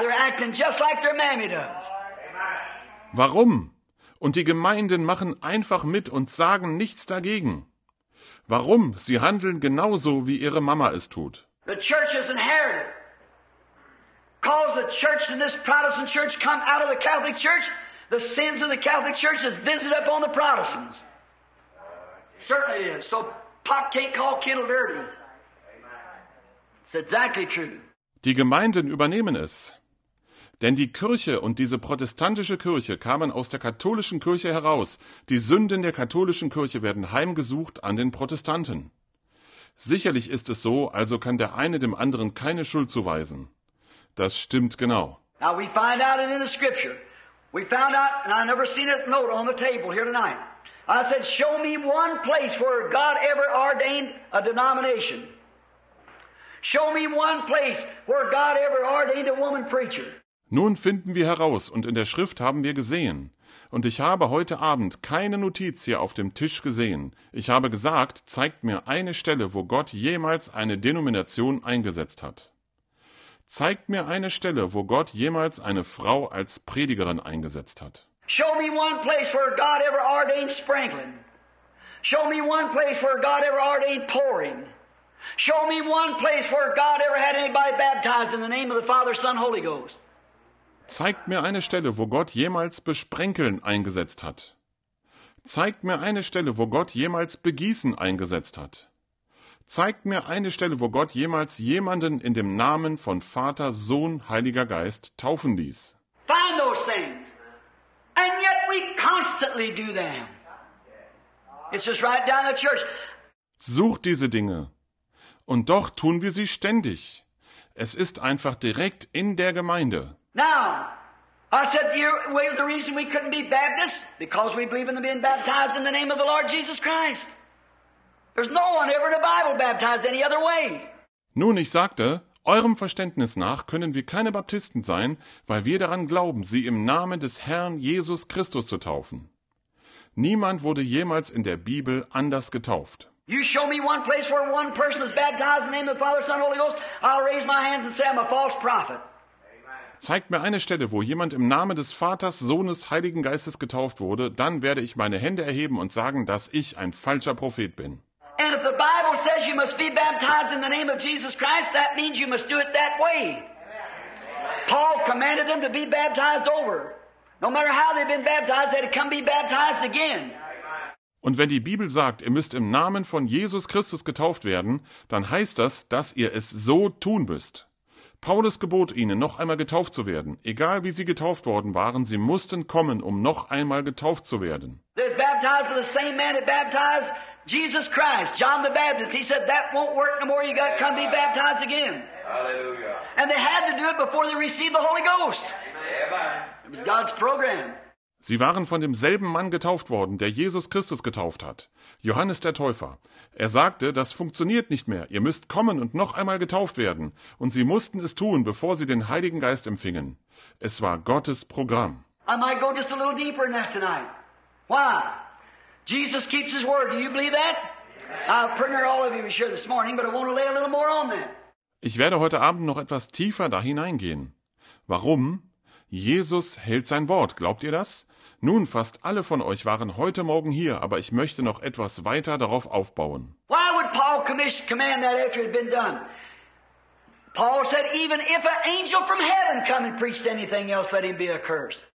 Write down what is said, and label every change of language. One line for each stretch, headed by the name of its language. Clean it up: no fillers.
English: They're acting just like their mammy does.
German: Warum? Und die Gemeinden machen einfach mit und sagen nichts dagegen. Warum? Sie handeln genauso, wie ihre Mama es tut.
English: The church has inherited. Cause the church and this Protestant church come out of the Catholic church, the sins of the Catholic church is visited upon the Protestants. Certainly is. So pot can't call kettle dirty. It's exactly true.
German: Die Gemeinden übernehmen es. Denn die Kirche und diese protestantische Kirche kamen aus der katholischen Kirche heraus. Die Sünden der katholischen Kirche werden heimgesucht an den Protestanten. Sicherlich ist es so, also kann der eine dem anderen keine Schuld zuweisen. Das stimmt genau.
English: Now we find out it in the scripture. We found out, and I never seen it note on the table here tonight. I said, show me one place where God ever ordained a denomination. Show me one place where God ever ordained a woman preacher.
German: Nun finden wir heraus, und in der Schrift haben wir gesehen. Und ich habe heute Abend keine Notiz hier auf dem Tisch gesehen. Ich habe gesagt, zeigt mir eine Stelle, wo Gott jemals eine Denomination eingesetzt hat. Zeigt mir eine Stelle, wo Gott jemals eine Frau als Predigerin eingesetzt hat.
English: Show me one place where God ever ordained sprinkling. Show me one place where God ever ordained pouring. Show me one place where God ever had anybody baptized in the name of the Father, Son, Holy Ghost.
German: Zeigt mir eine Stelle, wo Gott jemals Besprenkeln eingesetzt hat. Zeigt mir eine Stelle, wo Gott jemals Begießen eingesetzt hat. Zeigt mir eine Stelle, wo Gott jemals jemanden in dem Namen von Vater, Sohn, Heiliger Geist taufen ließ.
English: Find those things. And yet we constantly do them. It's just right down the church.
German: Sucht diese Dinge. Und doch tun wir sie ständig. Es ist einfach direkt in der Gemeinde.
English: Now, I said, the reason we couldn't be Baptists, because we believe in them being baptized in the name of the Lord Jesus Christ. There's no one ever in the Bible baptized any other way.
German: Nun, ich sagte, eurem Verständnis nach können wir keine Baptisten sein, weil wir daran glauben, sie im Namen des Herrn Jesus Christus zu taufen. Niemand wurde jemals in der Bibel anders getauft.
English: You show me one place where one person is baptized in the name of the Father, Son, Holy Ghost, I'll raise my hands and say I'm a false prophet.
German: Zeigt mir eine Stelle, wo jemand im Namen des Vaters, Sohnes, Heiligen Geistes getauft wurde, dann werde ich meine Hände erheben und sagen, dass ich ein falscher Prophet bin.
English: And if the Bible says you must be baptized in the name of Jesus Christ, that means you must do it that way. Paul commanded them to be baptized over. No matter how they've been baptized, they'd come be baptized again.
German: Und wenn die Bibel sagt, ihr müsst im Namen von Jesus Christus getauft werden, dann heißt das, dass ihr es so tun müsst. Paulus gebot ihnen, noch einmal getauft zu werden. Egal wie sie getauft worden waren, sie mussten kommen, um noch einmal getauft zu werden.
English: They're baptized with the same man that baptized Jesus Christ, John the Baptist. He said, that won't work no more, you got to come be baptized again. Hallelujah. And they had to do it before they received the Holy Ghost. It was God's program.
German: Sie waren von demselben Mann getauft worden, der Jesus Christus getauft hat, Johannes der Täufer. Er sagte, das funktioniert nicht mehr, ihr müsst kommen und noch einmal getauft werden. Und sie mussten es tun, bevor sie den Heiligen Geist empfingen. Es war Gottes Programm.
English: I might go just a little deeper in that tonight. Why? Jesus keeps his word. Do you believe that? I'll pray all of you be sure this morning, but I want to lay a little more on that.
German: Ich werde heute Abend noch etwas tiefer da hineingehen. Warum? Jesus hält sein Wort, glaubt ihr das? Nun, fast alle von euch waren heute Morgen hier, aber ich möchte noch etwas weiter darauf aufbauen.
English: Why would Paul command that after it had been done? Paul said, even if an angel from heaven come and preached anything else, let him be accursed.